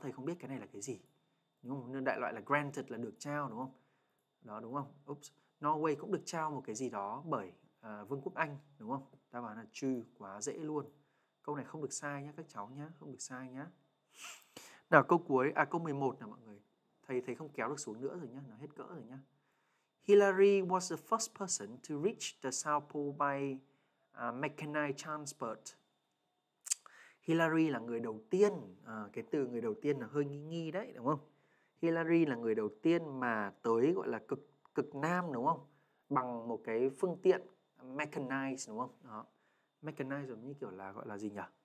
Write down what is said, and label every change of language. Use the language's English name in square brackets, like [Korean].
[Vietnamese] Thầy không biết cái này là cái gì, đúng không? Đại loại là granted là được trao đúng không? Đó đúng không? Oops. Norway cũng được trao một cái gì đó bởi Vương quốc Anh đúng không? Ta bảo là true, quá dễ luôn. Câu này không được sai nhé các cháu nhé, không được sai nhé. Nào câu cuối, à câu 11 nè mọi người. Thầy không kéo được xuống nữa rồi nhé, nó hết cỡ rồi nhé. [English] Hillary was the first person to reach the South Pole by mechanized transport. [Vietnamese] Hillary là người đầu tiên, cái từ người đầu tiên là hơi nghi đấy đúng không? Hillary là người đầu tiên mà tới gọi là cực nam đúng không? Bằng một cái phương tiện mechanized đúng không? Đó. Mechanized giống như kiểu là gọi là gì nhỉ?